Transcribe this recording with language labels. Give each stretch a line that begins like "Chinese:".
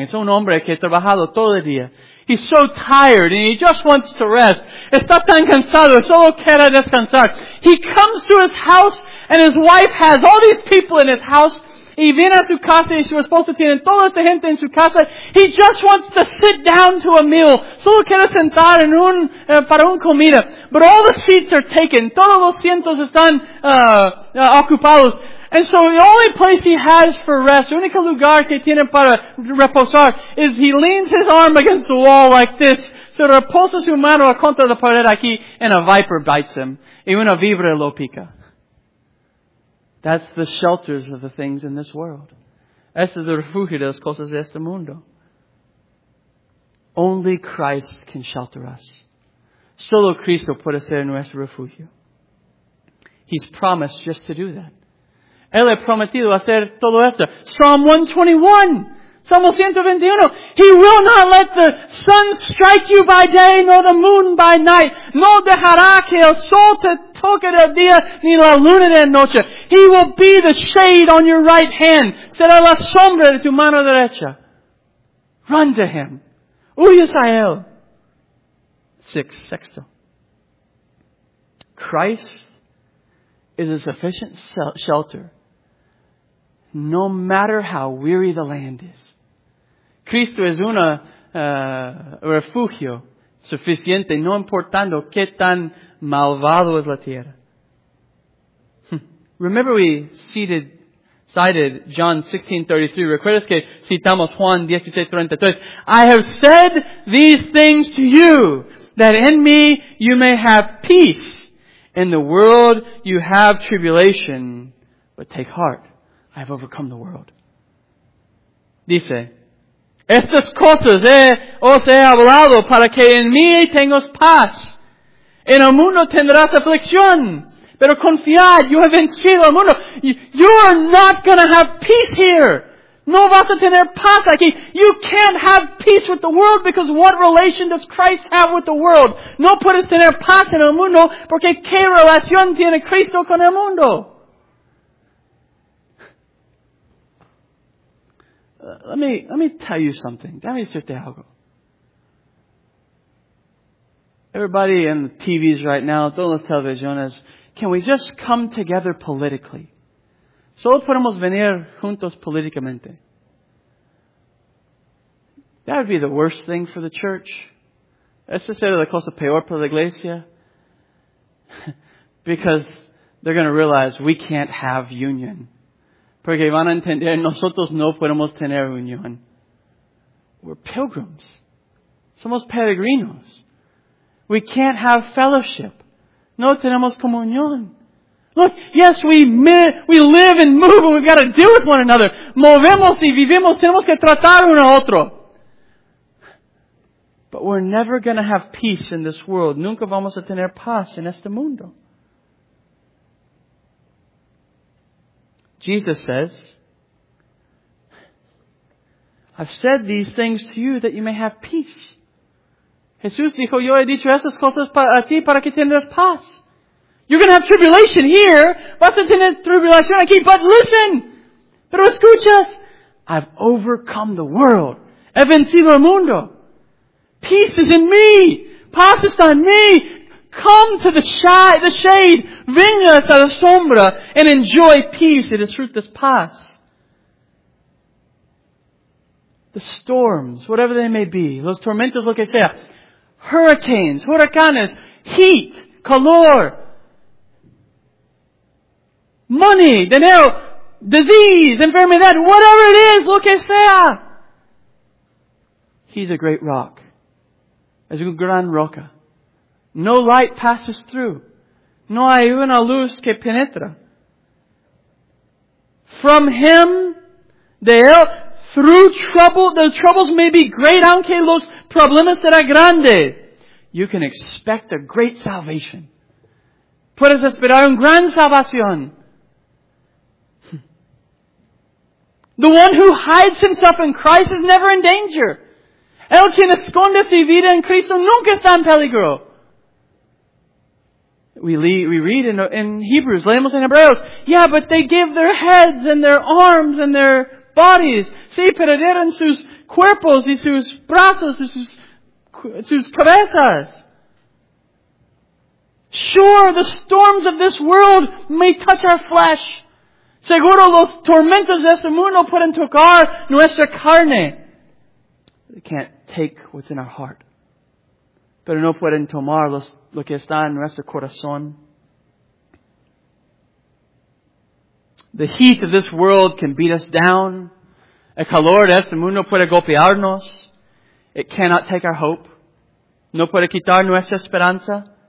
Spanish: Es un hombre que ha trabajado todo el día.
English: He's so tired and he just wants to rest.
Spanish: Está tan cansado, solo quiere descansar.
English: He comes to his house and his wife has all these people in his house.
Spanish: Y viene a su casa y su esposa tiene toda esta gente en su casa.
English: He just wants to sit down to a meal.
Spanish: Solo quiere sentar en un, para un comida.
English: But all the seats are taken.
Spanish: Todos los cientos están, ocupados.
English: And so the only place he has for rest,
Spanish: el único lugar que tiene para reposar,
English: is he leans his arm against the wall like this.
Spanish: Se reposa su mano contra la pared aquí,
English: and a viper bites him.
Spanish: Y una víbora lo pica.
English: That's the shelters of the things in this world.
Spanish: Ese es el refugio de las cosas de este mundo.
English: Only Christ can shelter us.
Spanish: Solo Cristo puede ser nuestro refugio.
English: He's promised just to do that.
Spanish: Él ha prometido hacer todo esto.
English: Psalm 121.
Spanish: Salmo 121.
English: He will not let the sun strike you by day, nor the moon by night.
Spanish: No dejará que el sol te toque de día, ni la luna de noche.
English: He will be the shade on your right hand.
Spanish: Será la sombra de tu mano derecha.
English: Run to him.
Spanish: Huyes a él. Sexto.
English: Christ is a sufficient shelter. No matter how weary the land is.
Spanish: Cristo es un refugio suficiente, no importando qué tan malvado es la tierra.
English: Remember we cited John 16:33.
Spanish: Recuerdas que citamos Juan 16:33.
English: I have said these things to you, that in me you may have peace. In the world you have tribulation, but take heart. I have overcome the world.
Spanish: Dice, estas cosas os he hablado para que en mí tengas paz. En el mundo tendrás aflicción. Pero confiad, yo he vencido al mundo.
English: You are not going to have peace here.
Spanish: No vas a tener paz aquí.
English: You can't have peace with the world because what relation does Christ have with the world?
Spanish: No puedes tener paz en el mundo porque qué relación tiene Cristo con el mundo.
English: Let me tell you something.
Spanish: Déjame decirte algo.
English: Everybody in the TVs right now,
Spanish: todas las televisiones,
English: can we just come together politically?
Spanish: Solo podemos venir juntos políticamente.
English: That would be the worst thing for the church.
Spanish: Eso sería la cosa peor para la iglesia.
English: Because they're going to realize we can't have union.
Spanish: Porque van a entender, nosotros no podemos tener unión.
English: We're pilgrims.
Spanish: Somos peregrinos.
English: We can't have fellowship.
Spanish: No tenemos comunión.
English: Look, yes, we live and move and we've got to deal with one another.
Spanish: Movemos y vivimos, tenemos que tratar uno a otro.
English: But we're never going to have peace in this world.
Spanish: Nunca vamos a tener paz en este mundo.
English: Jesus says, I've said these things to you that you may have peace.
Spanish: Jesús dijo, yo he dicho estas cosas a ti para que tengas paz.
English: You're going to have tribulation here.
Spanish: Vas a tener tribulación aquí.
English: But listen.
Spanish: Pero escuchas.
English: I've overcome the world.
Spanish: He vencido el mundo.
English: Peace is in me.
Spanish: Paz está en mí.
English: Come to the shade.
Spanish: Vengas a la sombra.
English: And enjoy peace. It is fruit that's paz. The storms, whatever they may be.
Spanish: Los tormentos, lo que sea.
English: Hurricanes,
Spanish: huracanes.
English: Heat,
Spanish: calor.
English: Money,
Spanish: dinero,
English: disease,
Spanish: enfermedad,
English: whatever it is,
Spanish: lo que sea.
English: He's a great rock.
Spanish: Es una gran roca.
English: No light passes through.
Spanish: No hay una luz que penetra.
English: From Him,
Spanish: de Él,
English: through trouble, the troubles may be great,
Spanish: aunque los problemas serán grandes.
English: You can expect a great salvation.
Spanish: Puedes esperar una gran salvación.
English: The one who hides himself in Christ is never in danger.
Spanish: El quien esconde su vida en Cristo nunca está en peligro.
English: We read in Hebrews,
Spanish: leemos en Hebreos.
English: Yeah, but they gave their heads and their arms and their bodies.
Spanish: Sí, pero dieron sus cuerpos y sus brazos y sus cabezas.
English: Sure, the storms of this world may touch our flesh.
Spanish: Seguro los tormentos de este mundo pueden tocar nuestra carne.
English: They can't take what's in our heart.
Spanish: Pero no pueden tomar lo que está en nuestro corazón.
English: The heat of this world can beat us down.
Spanish: El calor de este mundo puede golpearnos.
English: It cannot take our hope.
Spanish: No puede quitar nuestra esperanza.